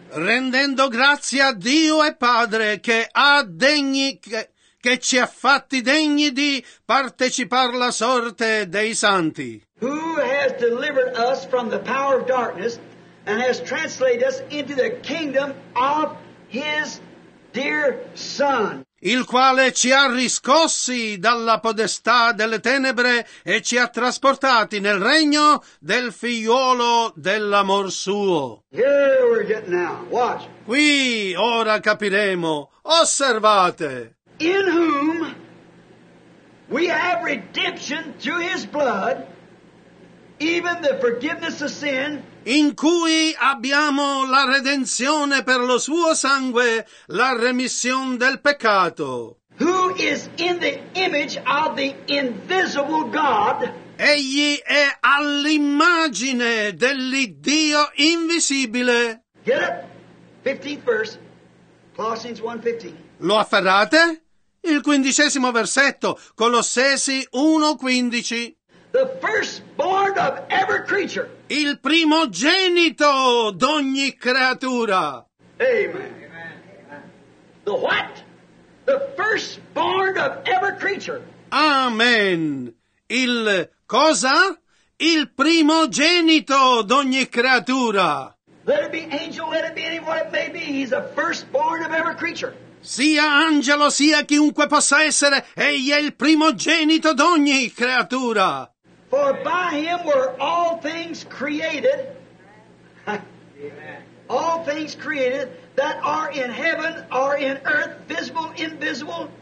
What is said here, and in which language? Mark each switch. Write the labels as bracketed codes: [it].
[it] Rendendo grazie a Dio e Padre che ha degni che ci ha fatti degni di partecipar la sorte dei santi. [en] Who has delivered us from the power of darkness and has translated us into the kingdom of his dear son. [it] Il quale ci ha riscossi dalla podestà delle tenebre e ci ha trasportati nel regno del figliuolo dell'amor suo. [en] Here we're getting now. Watch. [it] Qui ora capiremo. Osservate. [en] In whom we have redemption through his blood. even the forgiveness of sin, [it] in cui abbiamo la redenzione per lo suo sangue, la remissione del peccato. [en] Who is in the image of the invisible God? [it] Egli è all'immagine dell'Iddio invisibile. [en] Get up, 15th verse, Colossians 1:15. [it] Lo afferrate? Il quindicesimo versetto, Colossesi 1:15. [en] The firstborn of every creature. [it] Il primogenito d'ogni creatura. [en] Amen. Amen. The what? The firstborn of every creature. [it] Amen. Il cosa? Il primogenito d'ogni creatura. [en] Let it be angel, let it be anyone it may be, he's the firstborn of every creature. [it] Sia angelo, sia chiunque possa essere, egli è il primogenito d'ogni creatura. [en] For by him were all things created, all things created that are in heaven are in earth, visible, invisible.